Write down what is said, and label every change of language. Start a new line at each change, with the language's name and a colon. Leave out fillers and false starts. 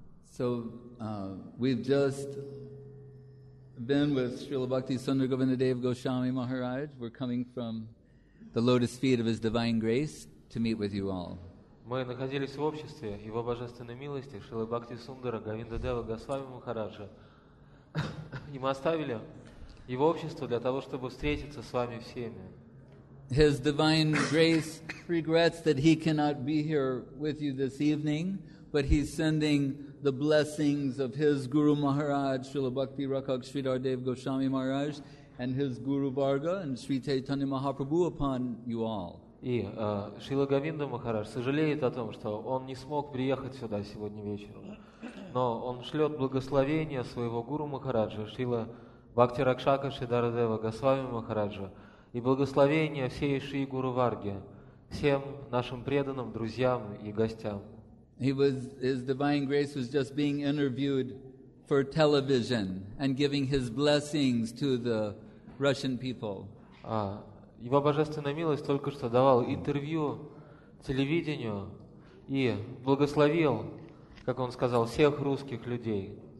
English: So we've just been with Srila Bhakti Sundar Govinda Dev Goswami Maharaj. We're coming from the lotus feet of His divine grace to meet with you all.
Russian: Мы находились в обществе Его божественной милости Шрилы Бхакти Сундара Говинда Дева Госвами Махараджа. И мы оставили Его общество для того, чтобы встретиться с вами всеми.
English: His divine grace regrets that He cannot be here with you this evening, but He's sending the blessings of His Guru Maharaj, Shrila Bhakti Rakak Sridhar Dev Goswami Maharaj, and His Guru Varga and Sri Chaitanya Mahaprabhu upon you all.
Russian: И Шрила Говинда Махарадж сожалеет о том, что он не смог приехать сюда сегодня вечером. Но он шлет благословение своего Гуру Махараджа, Шрила Бхакти Ракшака Шридхардева Госвами Махараджа, и благословение всей Шри Гуру Варги, всем нашим преданным, друзьям и гостям.
English: His divine grace was just being interviewed for television and giving his blessings to the Russian people.
Russian: Его божественная милость только что давал интервью телевидению и благословил, как он сказал, всех русских людей.